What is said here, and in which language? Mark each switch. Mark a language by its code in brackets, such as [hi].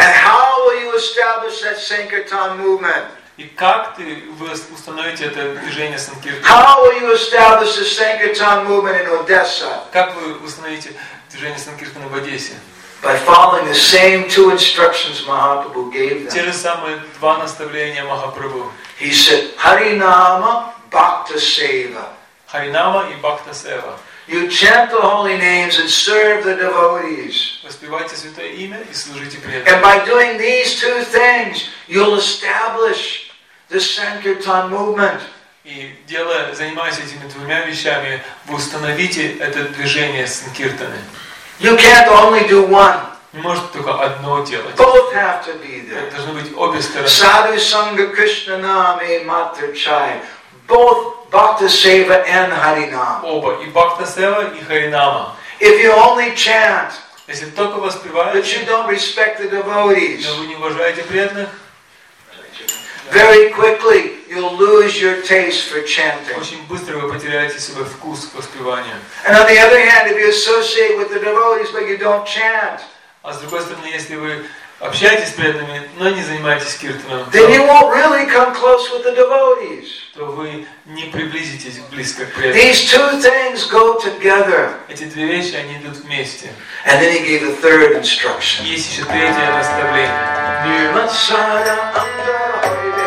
[en] And how will you establish that sankirtan movement? [ru] И как вы установите это движение санкиртан? [en] How will you establish the sankirtan movement in Odessa? [ru] Как вы установите движение санкиртан в Одессе? [en] By following the same two instructions Mahaprabhu gave them. [ru] Те же самые два наставления Махапрабху. [en] He said, Харинама, Бхакта Сева. [ru] Харинама и Бхакта Сева. [en] You chant the holy names and serve the devotees. [ru] Воспевайте святое имя и служите преданным. [en] And by doing these two things, you'll establish the sankirtan movement. [ru] И делая, занимаясь этими двумя вещами, вы установите это движение санкиртаны. [en] You can't only do one. [ru] Не можете только одно делать. [en] Both have to be there. [ru] Это должны быть обе стороны. [bn] Sadhu sangha krishna name matar chai. [en] Both Bhakta Seva and Harinama. [ru] Оба, и Бхакта Сева, и Харинама. [en] If you only chant, [ru] если только воспеваете, [en] but you don't respect the devotees, [ru] но вы не уважаете преданных, [en] very quickly you'll lose your taste for chanting. [ru] Очень быстро вы потеряете свой вкус к воспеванию. [en] And on the other hand, if you associate with the devotees, but you don't chant, [ru] а с другой стороны, если вы общайтесь с преданными, но не занимайтесь киртаном. [en] Then you won't really come close with the devotees. [ru] То вы не приблизитесь близко к преданным. [en] These two things go together. [ru] Эти две вещи, они идут вместе. [en] And then he gave a third instruction. [ru] Есть еще третье наставление.